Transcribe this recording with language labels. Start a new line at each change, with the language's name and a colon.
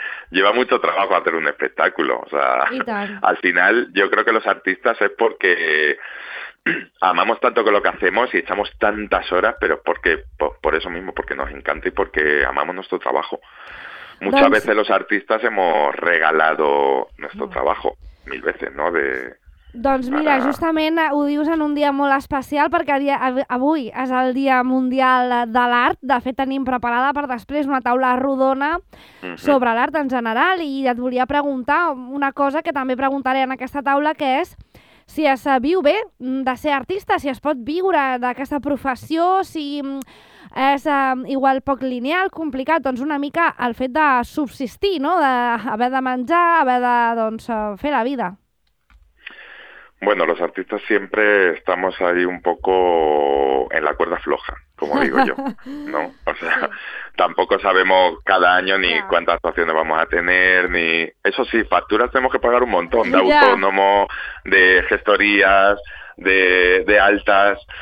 Spanish: Lleva mucho trabajo hacer un espectáculo, o sea, al final yo creo que los artistas es porque amamos tanto con lo que hacemos y echamos tantas horas, pero porque por eso mismo, porque nos encanta y porque amamos nuestro trabajo. Muchas veces los artistas hemos regalado nuestro trabajo mil veces, ¿no?
Catalan: Doncs mira, justament ho dius en un dia molt especial perquè avui és el Dia Mundial de l'Art. De fet, tenim preparada per després una taula rodona sobre l'art en general i et volia preguntar una cosa que també preguntaré en aquesta taula, que és si es viu bé de ser artista, si es pot viure d'aquesta professió, si és igual poc lineal, complicat, doncs una mica el fet de subsistir, no? D'haver de menjar, haver de doncs, fer la vida.
Spanish: Bueno, los artistas siempre estamos ahí un poco en la cuerda floja, como digo yo, ¿no? O sea, tampoco sabemos cada año ni cuántas actuaciones vamos a tener, ni... Eso sí, facturas tenemos que pagar un montón, de autónomo, de gestorías, de altas...